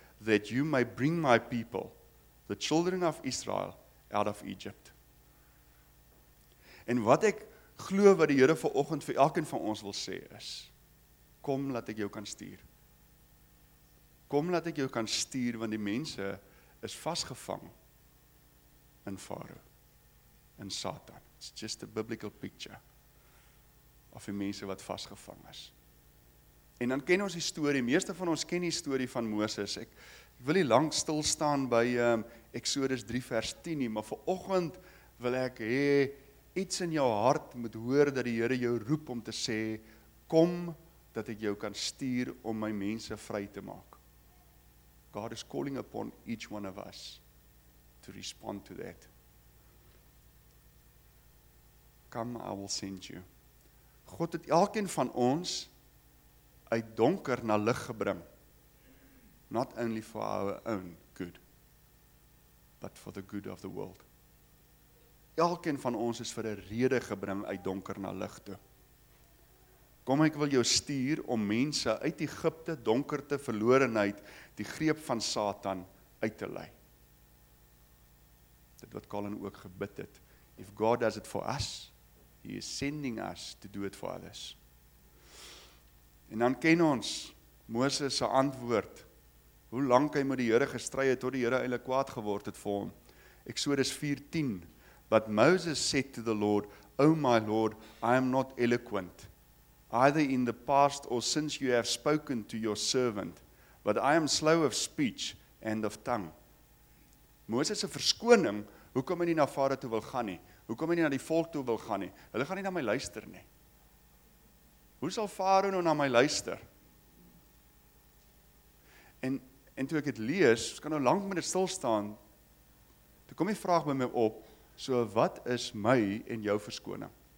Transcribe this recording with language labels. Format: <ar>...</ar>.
<en>That you may bring my people, the children of Israel, out of Egypt.</en> <af>En wat ek glo wat die Here vanoggend vir elkeen van ons wil sê is, kom laat ek jou kan stuur. Kom laat ek jou kan stuur, want die mense is vasgevang in Farao, in Satan.</af> <en>It's just a biblical picture of</en> <af>die mense wat vasgevang is. En dan ken ons die storie, meeste van ons ken die storie van Moses. Ek wil nie lank stil staan by Exodus 3 vers 10 nie, maar vir oggend wil ek hê iets in jou hart moet hoor dat die Here jou roep om te sê, kom dat ek jou kan stuur om my mense vry te maak.</af> <en>God is calling upon each one of us to respond to that. Come, I will send you.</en> <af>God het elkeen van ons uit donker na lig gebring.</af> <en>Not only for our own good, but for the good of the world.</en> <af>Elkeen van ons is vir 'n rede gebring uit donker na lig toe. Kom, ek wil jou stuur om mense uit Egipte, donkerte, verlorenheid, die greep van Satan uit te lei. Dit wat Colin ook gebid het.</af> <en>If God does it for us, he is sending us to do it for others.</en> <af>En dan ken ons Moses se antwoord. Hoe lank hy met die Here gestry het tot die Here eintlik kwaad geword het vir hom. Exodus 4:10.</af> <en>But Moses said to the Lord, "O my Lord, I am not eloquent, either in the past or since you have spoken to your servant, but I am slow of speech and of tongue."</en> <af>Moses se verskoning, hoekom hy nie na Farao toe wil gaan nie? Hoekom hy nie na die volk toe wil gaan nie? Hulle gaan nie na my luister nie. Hoe sal Farao nou na my luister? En toe ek dit lees, kan nou lank met dit stil staan. Toe kom die vraag by my op, so wat is my en jou verskoning?</af>